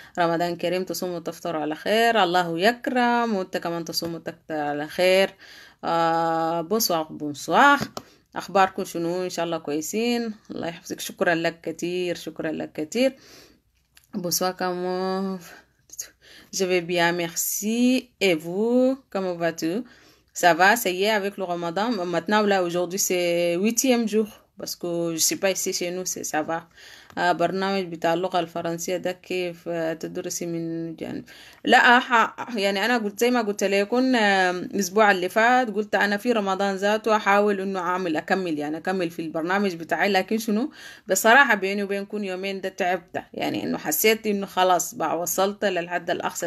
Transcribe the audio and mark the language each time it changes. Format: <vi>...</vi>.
<ar>رمضان كريم، تصوم وتفطر على خير، الله يكرم، وانت كمان تصوم وتفطر على خير.</ar> <fr>بونسواغ بونسواغ،</fr> <ar>اخباركم شنو؟ ان شاء الله كويسين، الله يحفظك، شكرا لك كثير، شكرا لك كثير.</ar> <fr>بونسواغ كامو. Je vais bien, merci. Et vous, comment vas-tu? Ça va, ça y est, avec le Ramadan. Maintenant, là, aujourd'hui, c'est 8e jour. Parce que je suis pas ici chez nous, c'est ça va.</fr> <ar>Ah, برنامج بتاع اللغة الفرنسية ده كيف تدرسي من جانب؟ لا يعني أنا قلت زي ما قلت لكم الأسبوع اللي فات، قلت أنا في رمضان ذاته أحاول إنه أعمل أكمل، يعني أكمل في البرنامج بتاعي. لكن شنو بصراحة بيني وبينكم يومين ده تعبت، يعني إنه حسيت إنه خلاص بقى وصلت للحد الأقصى.</ar>